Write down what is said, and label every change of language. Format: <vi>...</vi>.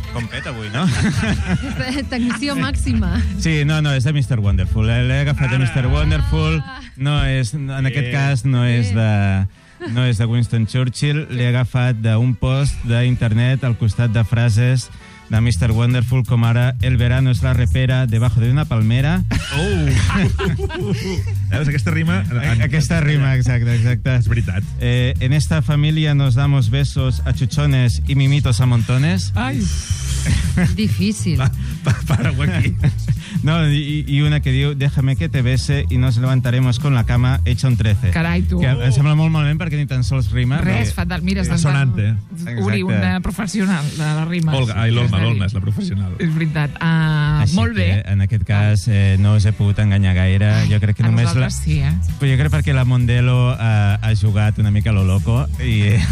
<ca>Peta avui, no? Tensió màxima. Sí, no, és de Mr. Wonderful. L'he agafat ara. De Mr. Wonderful. No és, en aquest cas, no és de Winston Churchill. L'he agafat d'un post d'internet al costat de frases de Mr.</ca> <es>Wonderful,</es> <ca>com ara</ca> <es>el verano es la repera debajo de una palmera.</es> <ca>Veus, aquesta rima... Aquesta rima, exacte. És veritat.</ca> <es>En esta familia nos damos besos a chuchones y mimitos a montones.</es> <ca>Ai... Difícil.</ca> <es>Para aquí. No, y</es> <ca>una que diu,</ca> <es>déjame que te bese y nos levantaremos con la cama hecha un 13.</es> <ca>Carai, tu. Que em sembla molt malament perquè ni tan sols rima. Res, fatal. Mira, és sonant, eh? Uri, una professional de la rima. Olga, és la professional. És veritat. Molt bé. En aquest cas, no us he pogut enganyar gaire. Jo crec que només... A nosaltres sí, eh? Jo crec perquè la Mondelo ha jugat una mica</ca> <es>a lo loco</es> <ca>i...</ca>